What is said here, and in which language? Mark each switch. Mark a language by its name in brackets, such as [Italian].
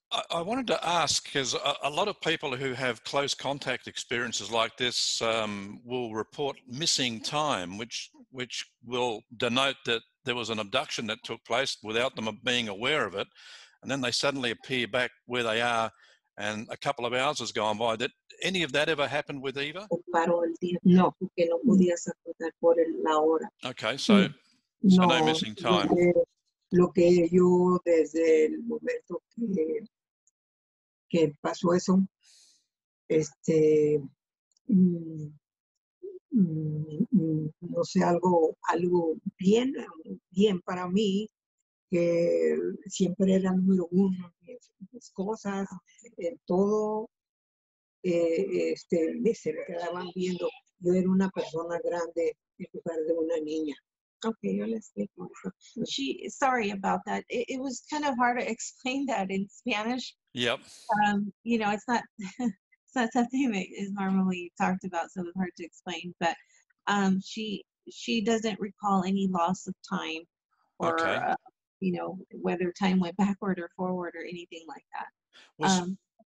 [English] I wanted to ask, because a lot of people who have close contact experiences like this will report missing time, which will denote that there was an abduction that took place without them being aware of it, and then they suddenly appear back where they are, and a couple of hours has gone by. Did any of that ever happen with Eva? [Spanish] No, porque no podía saber por la hora. [English] Okay, so no missing time. [Spanish] Lo que yo desde el momento que pasó eso, no sé, algo bien, bien para mí, que siempre era número uno en mis cosas, en todo, se me quedaban viendo. Yo era una persona grande en lugar de una niña. [English] Okay, [Spanish] yo les explico. [English] Sorry about that. It was kind of hard to explain that in Spanish. Yep. You know, it's not something that is normally talked about, so it's hard to explain. But she doesn't recall any loss of time, or you know, whether time went backward or forward or anything like that.